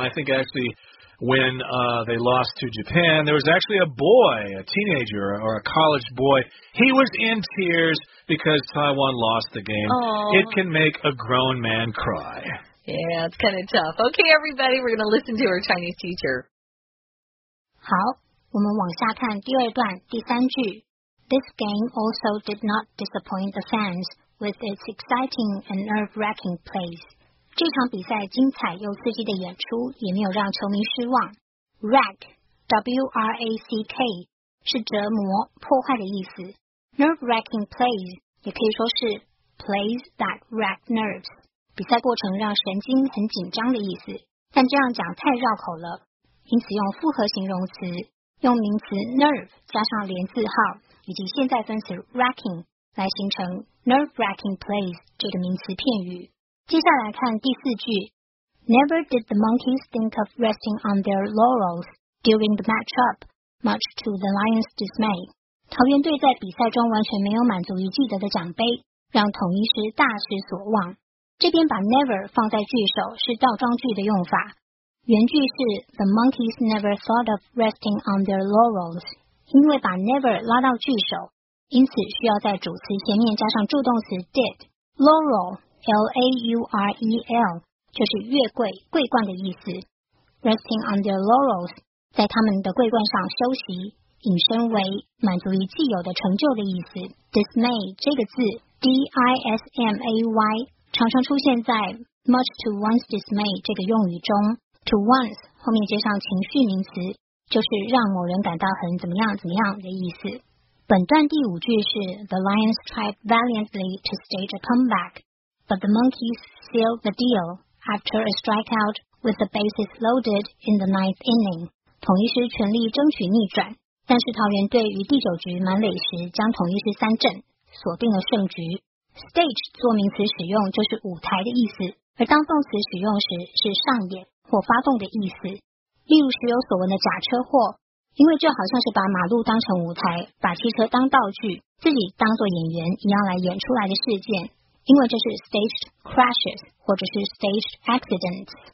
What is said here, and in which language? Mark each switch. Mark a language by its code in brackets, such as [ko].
[en] I think actually when they lost to Japan, there was actually a boy, a teenager or a college boy. He was in tears because Taiwan lost the game. Aww. It can make a grown man cry. Yeah, it's kind of tough. Okay, everybody, we're going to listen to our Chinese teacher. [zh] 好，我们往下看第二段第三句。 [en] This game also did not disappoint the fans with its exciting and nerve-wracking plays. [zh] 这场比赛精彩又刺激的演出也没有让球迷失望。 Wrack, W-R-A-C-K, 是折磨、破坏的意思。 Nerve-wracking plays 也可以说是 [en] plays that wrack nerves, [zh] 比赛过程让神经很紧张的意思。但这样讲太绕口了。因此用复合形容词，用名词 nerve 加上连字号以及现在分词 racking 来形成 nerve-racking plays 这个名词片语。接下来看第四句 [en] ，Never did the monkeys think of resting on their laurels during the matchup, much to the lions' dismay。 [zh] 桃园队在比赛中完全没有满足于既得的奖杯，让统一师大失所望。这边把 never 放在句首是倒装句的用法。原句是 [en] The monkeys never thought of resting on their laurels. [zh] 因为把 never 拉到句首，因此需要在主词前面加上助动词 did. Laurel, L-A-U-R-E-L, 就是月桂、桂冠的意思。 [en] Resting on their laurels, [zh] 在他们的桂冠上休息，引申为满足于既有的成就的意思。 Dismay 这个字 D-I-S-M-A-Y 常常出现在 [en] much to one's dismay [zh] 这个用语中。 To once 后面接上情绪名词，就是让某人感到很怎么样怎么样的意思。本段第五句是 [en] The lions tried valiantly to stage a comeback, but the monkeys sealed the deal after a strikeout with the bases loaded in the ninth inning. [zh] 统一师全力争取逆转，但是桃园队于第九局满垒时将统一师三振，锁定了胜局。 Stage 做名词使用就是舞台的意思，而当动词使用时是上演。或发动的意思，例如时有所闻的假车祸，因为就好像是把马路当成舞台，把汽车当道具，自己当作演员一样来演出来的事件，因为这是 staged crashes 或者是 staged accidents。